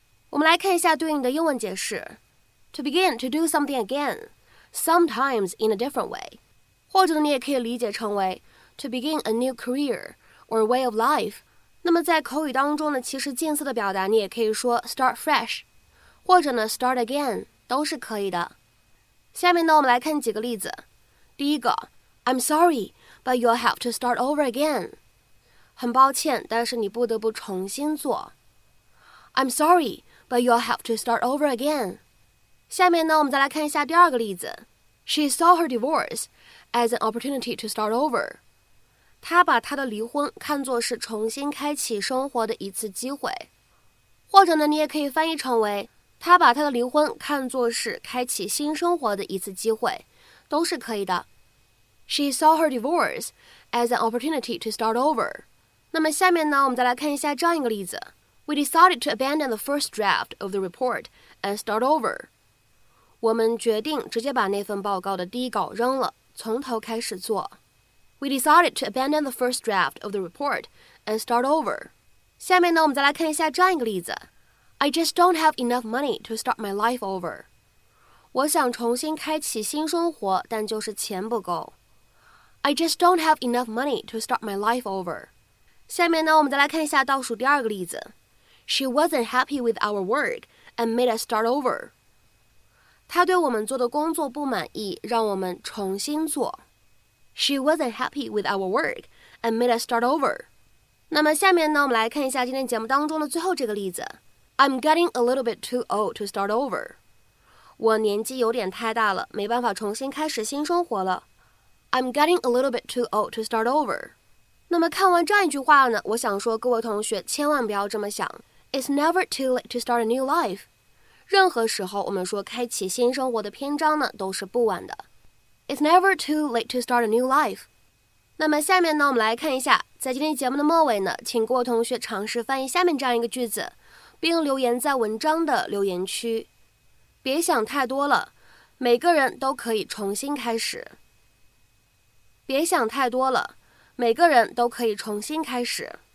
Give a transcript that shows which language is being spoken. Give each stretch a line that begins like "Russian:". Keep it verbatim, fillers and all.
Chinese: 我们来看一下对应的英文解释 ：
English: to begin to do something again, sometimes in a different way。
Chinese: 或者呢，你也可以理解成为
English: to begin a new career or way of life。
Chinese: 那么在口语当中呢，其实近似的表达你也可以说
English: start fresh
Chinese: 或者呢
English: start again
Chinese: 都是可以的。下面呢，我们来看几个例子。第一个
English: I'm sorry, but you'll have to start over again.
Chinese: 很抱歉，但是你不得不重新做。
English: I'm sorry, but you'll have to start over again.
Chinese: 下面呢，我们再来看一下第二个例子。
English: She saw her divorce as an opportunity to start over.
Chinese: 他把他的离婚看作是重新开启生活的一次机会，或者呢，你也可以翻译成为他把他的离婚看作是开启新生活的一次机会，都是可以的。
English: She saw her divorce as an opportunity to start over.
Chinese: 那么下面呢，我们再来看一下这样一个例子。
English: We decided to abandon the first draft of the report and start over.
Chinese: 我们决定直接把那份报告的第一稿扔了，从头开始做。
English: We decided to abandon the first draft of the report and start over.
Chinese: 下面呢，我们再来看一下这样一个例子。
English: I just don't have enough money to start my life over.
Chinese: 我想重新开启新生活，但就是钱不够。
English: I just don't have enough money to start my life over.
Chinese: 下面呢，我们再来看一下倒数第二个例子。
English: She wasn't happy with our work and made us start over.
Chinese: 她对我们做的工作不满意，让我们重新做。
English: She wasn't happy with our work and made us start over.
Chinese: 那么下面呢，我们来看一下今天节目当中的最后这个例子。
English: I'm getting a little bit too old to start over.
Chinese: 我年纪有点太大了，没办法重新开始新生活了。
English: I'm getting a little bit too old to start over.
Chinese: 那么看完这样一句话呢，我想说各位同学千万不要这么想。
English: It's never too late to start a new life.
Chinese: 任何时候我们说开启新生活的篇章呢，都是不晚的。
English: It's never too late to start a new life.
Chinese: 那么下面呢，我们来看一下，在今天节目的末尾呢，请各位同学尝试翻译下面这样一个句子，并留言在文章的留言区。别想太多了，每个人都可以重新开始。别想太多了，每个人都可以重新开始。